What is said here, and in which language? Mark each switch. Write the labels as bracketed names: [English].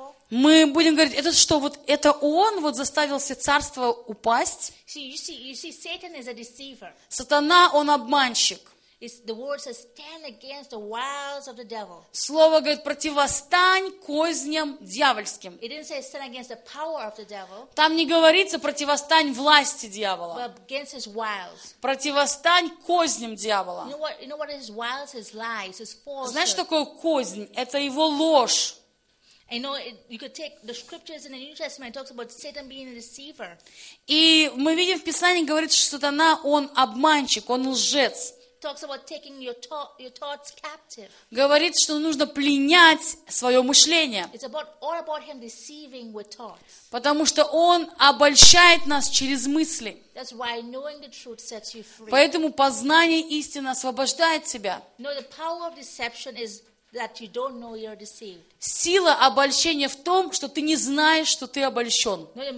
[Russian] Мы будем говорить, это что, вот это он вот заставил все царства упасть? [English] You see, Satan is a deceiver. [Russian] Сатана, он обманщик. [English] The word says, stand against the wiles of the devil. [Russian] Слово говорит, противостань козням дьявольским. [English] It didn't say stand against the power of the devil. [Russian] Там не говорится, противостань власти дьявола. [English] But against his wiles. [Russian] Противостань козням дьявола. [English] You know what his wiles, his lies, his falsehood. [Russian] Знаешь, что такое кознь? Это его ложь. [English] I know you could take the scriptures in the New Testament. It talks about Satan being a deceiver. [Russian] И мы видим в Писании говорится, что сатана он обманщик, он лжец. [English] Talks about taking your thoughts captive. [Russian] Говорит, что нужно пленять свое мышление. [English] It's about all about him deceiving with thoughts. [Russian] Потому что он обольщает нас через мысли. [English] That's why knowing the truth sets you free. [Russian] Поэтому познание истины освобождает тебя. [English] No, the power of deception is that you don't know you're deceived. [Russian] Сила обольщения в том, что ты не знаешь, что ты обольщен.